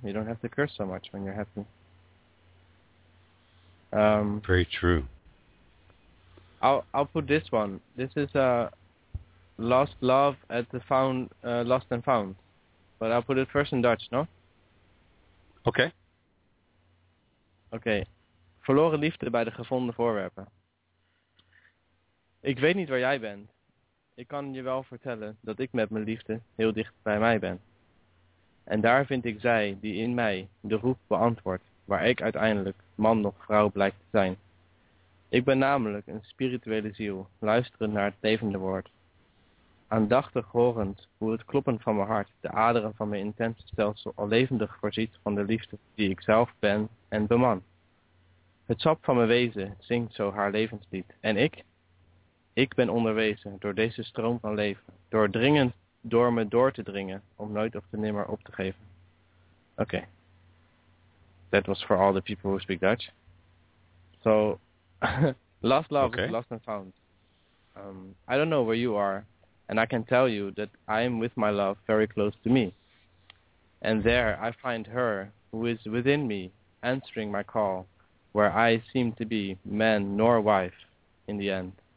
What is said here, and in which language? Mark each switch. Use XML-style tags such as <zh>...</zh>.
<en>You don't have to curse so much when you're happy. Very true. I'll put this one. This is Lost Love at the Found, Lost and Found. But I'll put it first in Dutch, no? Okay. Okay.</en> <nl>Verloren liefde bij de gevonden voorwerpen. Ik weet niet waar jij bent. Ik kan je wel vertellen dat ik met mijn liefde heel dicht bij mij ben. En daar vind ik zij die in mij de roep beantwoordt waar ik uiteindelijk man of vrouw blijkt te zijn. Ik ben namelijk een spirituele ziel, luisterend naar het levende woord. Aandachtig horend hoe het kloppen van mijn hart de aderen van mijn intense stelsel al levendig voorziet van de liefde die ik zelf ben en beman. Het sap van mijn wezen zingt zo haar levenslied. En ik ben onderwezen door deze stroom van leven, doordringend door me door te dringen om nooit of te nimmer op te geven.</nl> <en>Okay. That was for all the people who speak Dutch. So, lost love okay. is lost and found. I don't know where you are, and I can tell you that I am with my love very close to me. And there I find her who is within me, answering my call, where I seem to be man nor wife in the end.</en>